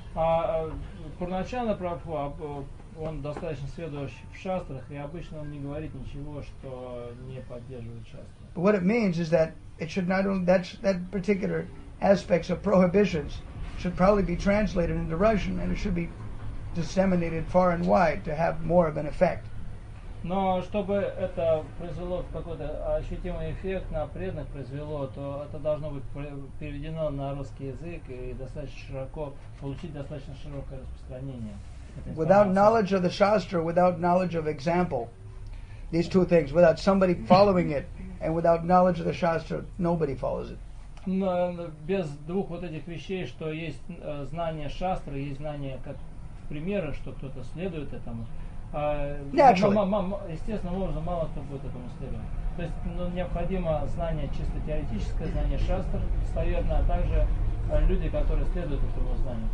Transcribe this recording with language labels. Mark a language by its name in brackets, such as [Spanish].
[Russian] Purnachandra Prabhupada, он достаточно следующий в Шастрах, и обычно он не говорит ничего, что не поддерживает Шастра. [English] But what it means is that it should not only, that particular aspects of prohibitions should probably be translated into Russian, and it should be disseminated far and wide to have more of an effect. [Russian] Но чтобы это произвело какой-то ощутимый эффект на преданных произвело, то это должно быть переведено на русский язык и достаточно широко получить достаточно широкое распространение. [English] Without knowledge of the Shastra, without knowledge of example, these two things, without somebody following it, and without knowledge of the Shastra, nobody follows it. [Russian] Но без двух вот этих вещей, что есть знание Шастры, есть знание как примера, что кто-то следует этому. Естественным образом мало кто будет этому следовать. То есть необходимо знание чисто теоретическое, знание шастр, достоверное, а также люди, которые следуют этому знанию.